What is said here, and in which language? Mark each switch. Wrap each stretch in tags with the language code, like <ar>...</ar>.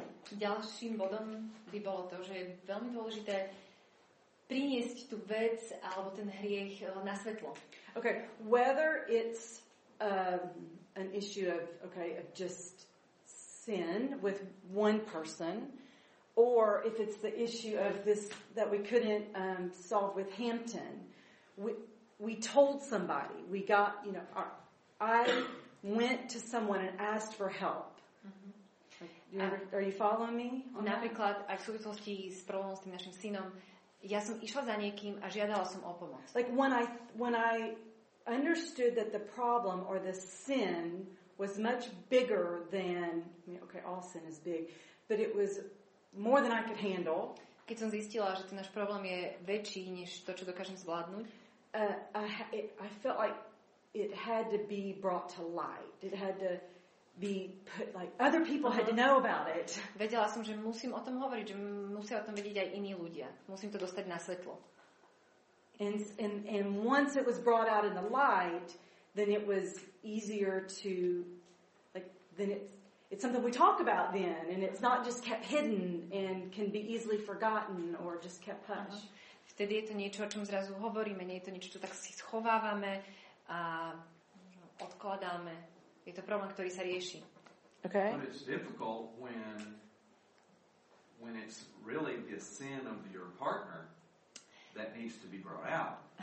<sk>Ďalším bodom by bolo to, že je veľmi dôležité priniesť tú vec alebo ten hriech na svetlo.</sk> <en>Okay, whether it's an issue of of just sin with one person, or if it's the issue of this that we couldn't solve with Hampton, we told somebody, we got, you know, I went to someone and asked for help. Are you following me?</en> <sk>Napríklad aj v súvislosti s problémom s tým našim synom, ja som išla za niekým a žiadala som o pomoc.</sk> <en>Like when I understood that the problem or the sin was much bigger than, all sin is big, but it was more than I could handle.</en> <sk>Keď som zistila, že ten náš problém je väčší než to, čo dokážem zvládnuť,</sk> <en>I felt like it had to be brought to light. It had to be put, like other people had to know about it.</en> <sk>Vedela som, že musím o tom hovoriť, že musia o tom vedieť aj iní ľudia. Musím to dostať na svetlo.</sk> <en>And once it was brought out in the light, then it was easier to, it's something we talk about then, and it's not just kept hidden and can be easily forgotten or just kept hush.</en> <sk>Vtedy je to niečo, o čom zrazu hovoríme, nie je to niečo, čo tak si schovávame a odkladáme. Je to problém, ktorý sa rieši.</sk> <en>Okay. But it's difficult when it's really the sin of your partner that needs to be brought out.</en>